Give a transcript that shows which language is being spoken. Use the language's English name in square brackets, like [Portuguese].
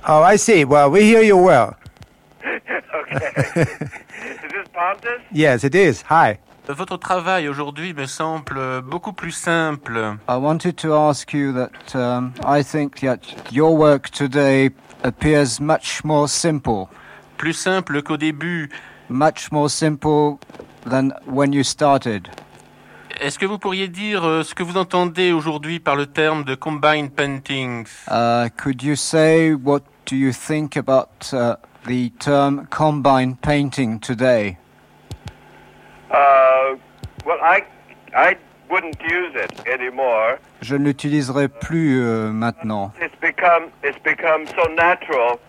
[English] Oh, I see. Well, we hear you well. Okay. Is this possible? responses? Yes, it is. Hi. [French] Votre travail aujourd'hui me semble beaucoup plus simple. [English] I wanted to ask you that I think that your work today appears much more simple. [French] Plus simple qu'au début. [English] Much more simple than when you started. [French] Est-ce que vous pourriez dire ce que vous entendez aujourd'hui par le terme de combined paintings? [English] Could you say what do you think about the term combined painting today? Well, I wouldn't use it anymore. [French] Je ne l'utiliserai plus maintenant. [English] It's become so natural.